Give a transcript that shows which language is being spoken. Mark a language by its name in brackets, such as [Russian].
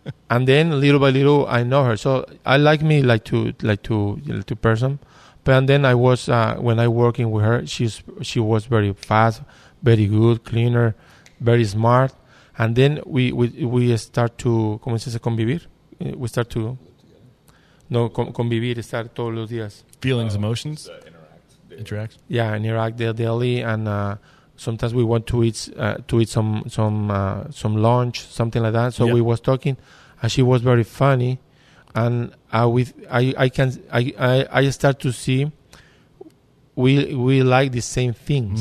[English] And then little by little, I know her. So I like me like to person. But and then I was when I working with her, she was very fast, very good, cleaner, very smart. And then we start to [Spanish] ¿cómo se dice convivir? [English] We start to [Spanish] no convivir estar todos los días. [English] Feelings, emotions, interact. Yeah, interact daily and. Sometimes we want to eat some lunch, something like that. So yep. We was talking, and she was very funny, and I start to see we like the same things.